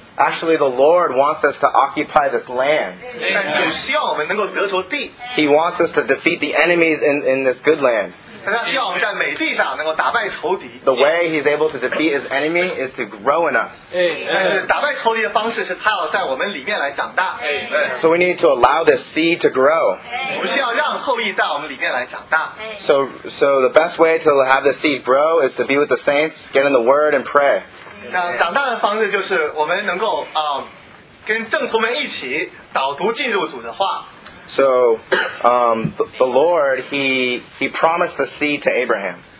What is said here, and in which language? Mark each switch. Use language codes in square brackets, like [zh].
[en] Actually, the Lord wants us to occupy this land. [zh] 但主希望我们能够得着地。 [en] He wants us to defeat the enemies in this good land. [zh] 但他希望我们在美地上能够打败仇敌。 [en] The way he's able to defeat his enemy is to grow in us. [zh] 但是打败仇敌的方式是他要在我们里面来长大。 [en] So we need to allow this seed to grow. [zh] 我们需要让后裔在我们里面来长大。 [en] So the best way to have the seed grow is to be with the saints, get in the word and pray. [zh] 那长大的方式就是我们能够跟圣徒们一起导读进入主的话。 [en] So, the Lord, he promised the seed to Abraham.